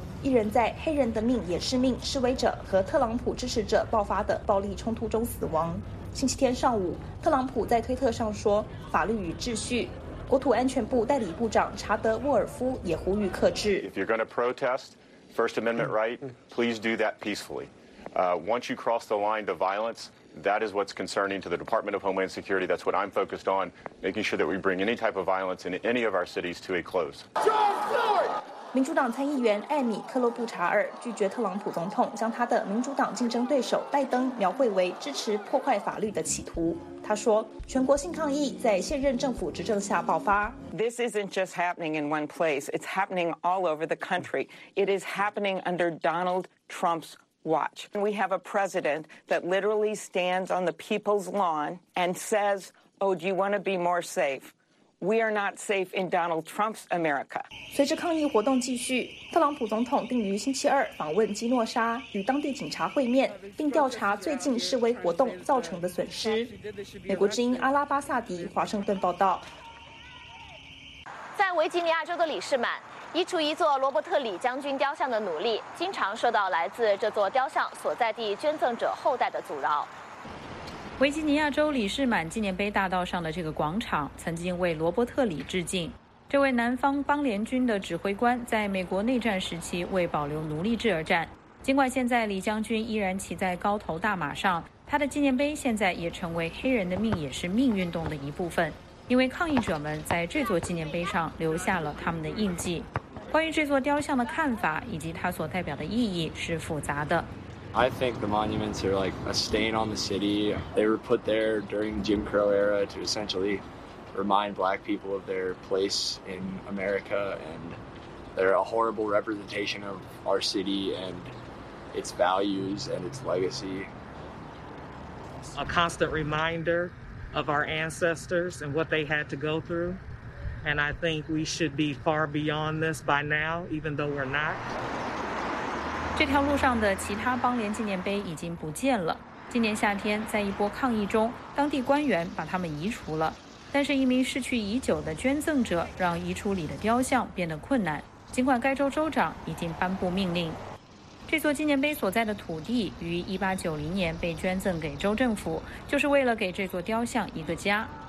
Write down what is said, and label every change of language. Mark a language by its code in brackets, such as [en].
[zh] 一人在黑人的命也是命示威者和特朗普支持者爆发的暴力冲突中死亡。星期天上午，特朗普在推特上说法律与秩序。国土安全部代理部长查德·沃尔夫也呼吁克制。 [en] If you're going to protest First Amendment right, please do that peacefully. Once you cross the line to violence, that is what's concerning to the Department of Homeland Security. That's what I'm focused on, making sure that we bring any type of violence in any of our cities to a close. [zh] 民主党参议员艾米·克洛布查尔拒绝特朗普总统将他的民主党竞争对手拜登描绘为支持破坏法律的企图。他说，全国性抗议在现任政府执政下爆发。 [en] This isn't just happening in one place. It's happening all over the country. It is happening under Donald Trump's watch. We have a president that literally stands on the people's lawn and says, oh, do you want to be more safe? We are not safe in Donald Trump's America. [zh] 随着抗议活动继续，特朗普总统定于星期二访问基诺沙，与当地警察会面，并调查最近示威活动造成的损失。美国之音阿拉巴萨迪华盛顿报道。在维吉尼亚州的理事们，移除一座罗伯特·李将军雕像的努力，经常受到来自这座雕像所在地捐赠者后代的阻挠。维吉尼亚州李士满纪念碑大道上的这个广场曾经为罗伯特·李致敬。这位南方邦联军的指挥官在美国内战时期为保留奴隶制而战。尽管现在李将军依然骑在高头大马上，他的纪念碑现在也成为黑人的命也是命运动的一部分，因为抗议者们在这座纪念碑上留下了他们的印记。关于这座雕像的看法以及它所代表的意义是复杂的。 [en] I think the monuments are like a stain on the city. They were put there during Jim Crow era to essentially remind black people of their place in America. And they're a horrible representation of our city and its values and its legacy. A constant reminder of our ancestors and what they had to go through. And I think we should be far beyond this by now, even though we're not. [zh] 这条路上的其他邦联纪念碑已经不见了。今年夏天，在一波抗议中，当地官员把它们移除了。但是，一名逝去已久的捐赠者让移除里的雕像变得困难。尽管该州州长已经颁布命令，这座纪念碑所在的土地于1890年被捐赠给州政府，就是为了给这座雕像一个家。